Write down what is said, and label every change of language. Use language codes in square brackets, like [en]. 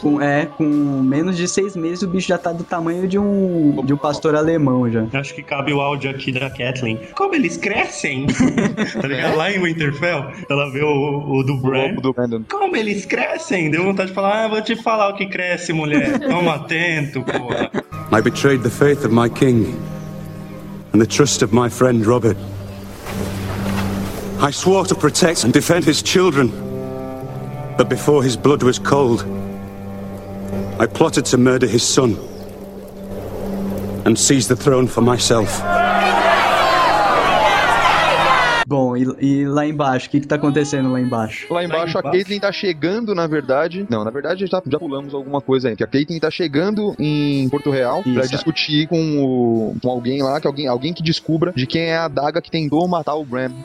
[pt] Com menos de 6 meses, o bicho já tá do tamanho de um pastor alemão, já. Eu acho que cabe o áudio aqui da Kathleen. Como eles crescem? Tá ligado? Lá em Winterfell, ela vê o do Bran. Como eles crescem? Deu vontade de falar, vou te falar o que cresce, mulher. Toma atento, porra. [en] I betrayed the faith of my king and the trust of my friend Robert. I swore to protect and defend his children. But before his blood was cold, I plotted to murder his son and seize the throne for myself. [pt] Bom, e lá embaixo, o que tá acontecendo lá embaixo? Lá embaixo, a Caitlyn tá chegando, na verdade. Não, na verdade, já pulamos alguma coisa aí. Porque a Caitlyn tá chegando em Porto Real. Isso. Pra discutir com alguém lá, que alguém que descubra de quem é a adaga que tentou matar o Bran.